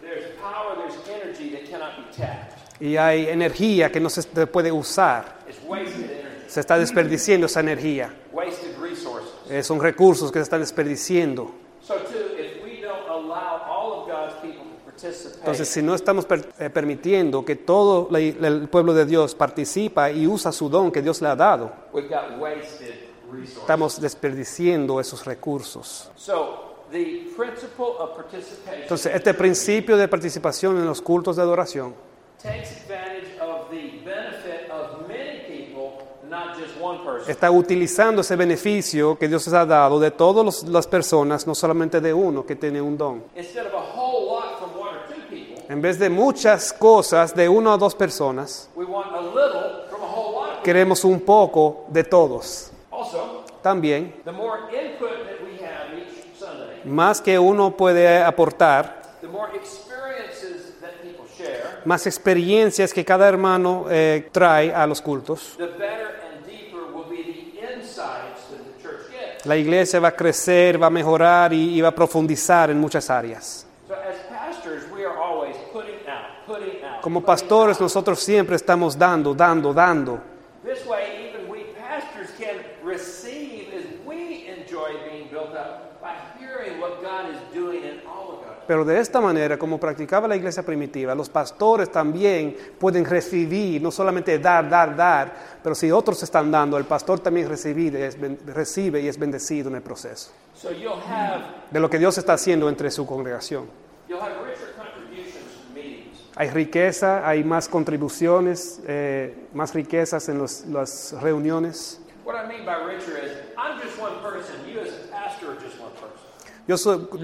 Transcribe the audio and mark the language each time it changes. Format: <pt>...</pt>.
<en>There's power, there's energy that cannot be tapped.</en> <es>Y hay energía que no se puede usar.</es> <en>It's wasted energy.</en> <es>Se está desperdiciando esa energía.</es> <en>Wasted resources.</en> <es>Son recursos que se están desperdiciando.</es> <en>So too, if we don't allow all of God's people to participate,</en> <es>entonces, si no estamos permitiendo que todo el pueblo de Dios participa y usa su don que Dios le ha dado,</es> <en>we've got wasted resources.</en> <es>Estamos desperdiciando esos recursos.</es> <en>So, the principle of participation,</en> <es>entonces, este principio de participación en los cultos de adoración</es> <en>takes advantage of the benefit of many people, not just one person.</en> <es>Está utilizando ese beneficio que Dios les ha dado de todas las personas, no solamente de uno que tiene un don.</es> <en>Instead of a whole lot from one or two people,</en> <es>en vez de muchas cosas de una o dos personas,</es> <en>we want a little from a whole lot of people.</en> <es>Queremos un poco de todos.</es> <en>Also,</en> <es>también,</es> <en>the more input that we have each Sunday,</en> <es>más que uno puede aportar,</es> <en>the more experiences that people share,</en> <es>más experiencias que cada hermano trae a los cultos,</es> <en>the better and deeper will be the insights that the church gets.</en> <es>La iglesia va a crecer, va a mejorar y va a profundizar en muchas áreas.</es> <en>So as pastors, we are always putting out, putting out.</en> <es>Como pastores, nosotros siempre estamos dando, dando, dando.</es> <en>This way, even we pastors can receive as we enjoy being built up by hearing what God is doing in all.</en> <es>Pero de esta manera, como practicaba la iglesia primitiva, los pastores también pueden recibir, no solamente dar, dar, dar, pero si otros están dando, el pastor también recibe y es bendecido en el proceso.</es> <en>So you'll have,</en> <es>de lo que Dios está haciendo entre su congregación.</es> <en>You'll have richer contributions from meetings.</en> <es>Hay riqueza, hay más contribuciones, más riquezas en las reuniones.</es> <en>What I mean by richer is, I'm just one person, you as a pastor are just one person.</en>